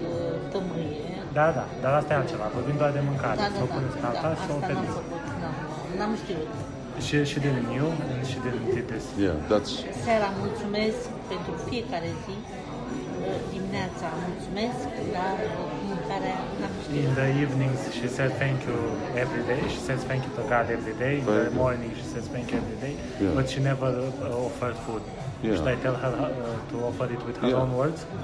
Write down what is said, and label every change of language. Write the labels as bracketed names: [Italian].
[Romanian] de tămâie. Da, dar asta e altceva. Vorbim doar de mâncare. Da, s-o puneți pe altar și o oferiți. Asta n-am făcut. N-am știut. [English] She didn't knew and she didn't did this. Yeah, that's... [Romanian] Seara, mulțumesc pentru fiecare zi. Dimineața, mulțumesc, dar mâncarea n-am știut. [English] In the evenings, she said thank you every day. She says thank you to God every day. In the morning, she says thank you every day. Yeah. But she never offered food. Yeah. Should I tell her to offer it with her own words?